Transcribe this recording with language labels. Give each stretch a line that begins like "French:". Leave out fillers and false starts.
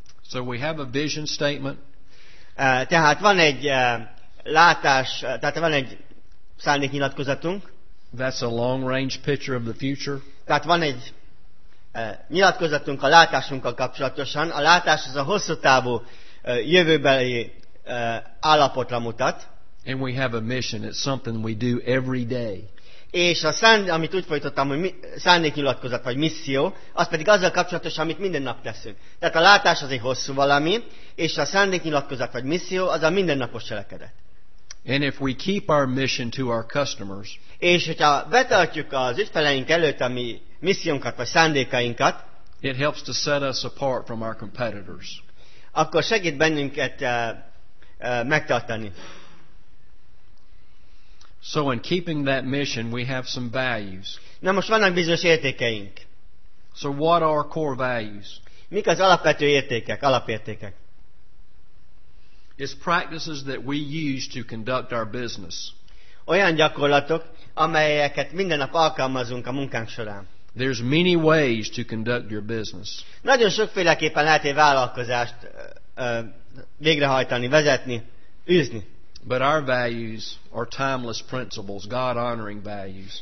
English: So we have a vision statement.
Hungarian: Tehát van egy látás, tehát van egy szándéknyilatkozatunk.
English: That's a long-range picture of the future.
Hungarian: Tehát van egy nyilatkozatunk a látásunkkal kapcsolatosan. A látás az a hosszú távú jövőbeli állapotra mutat.
English: And we have a mission. It's something we do every day.
Hungarian: És a amit úgy folytottam, hogy szándéknyilatkozat vagy misszió, az pedig azzal kapcsolatos, amit minden nap teszünk. Tehát a látás az egy hosszú valami, és a szándéknyilatkozat vagy misszió az a mindennapos cselekedet.
English: And if we keep our mission to our customers.
Hungarian: És hogyha betartjuk az ügyfeleink előtt a mi missziónkat vagy szándékainkat,
English: it helps to set us apart from our competitors.
Hungarian: Akkor segít bennünket megtartani.
English: So in keeping that mission, we have some values.
Hungarian: Na most vannak bizonyos értékeink.
English: So what are core values?
Hungarian: Mik az alapvető értékek, alapértékek?
English: It's practices that we use to conduct our business.
Hungarian: Olyan gyakorlatok, amelyeket minden nap alkalmazunk a munkánk során.
English: There's many ways to conduct your business.
Hungarian: Nagyon sokféleképpen lehet egy vállalkozást végrehajtani, vezetni, űzni.
English: But our values are timeless principles, God-honoring values.